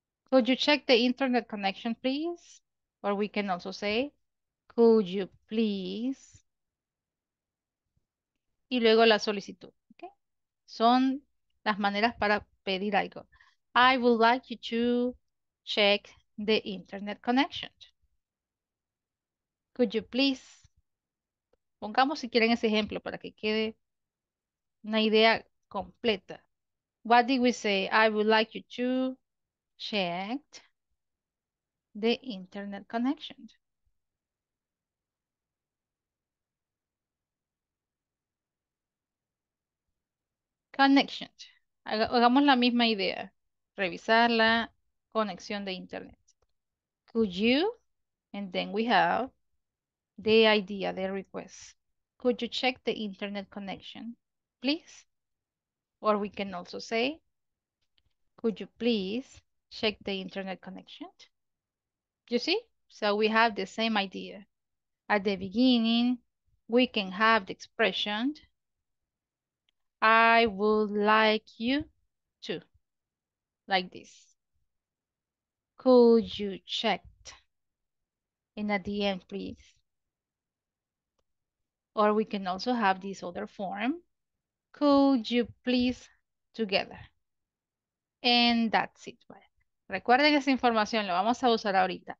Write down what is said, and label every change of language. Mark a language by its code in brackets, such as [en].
[en] Could you check the internet connection please, or we can also say could you please [es] y luego la solicitud, [en] okay? [es] Son las maneras para pedir algo. [en] I would like you to check the internet connection. Could you please? [es] Pongamos si quieren ese ejemplo para que quede una idea completa. [en] What did we say? I would like you to check the internet connection. [es] Connection. Hagamos la misma idea. Revisar la conexión de internet. [en] Could you, and then we have the idea, the request. Could you check the internet connection, please? Or we can also say, could you please check the internet connection? You see? So we have the same idea. At the beginning, we can have the expression, I would like you to, like this. Could you check? And at the end, please. Or we can also have this other form. Could you please together? And that's it. [es] Bueno, recuerden esa información, lo vamos a usar ahorita.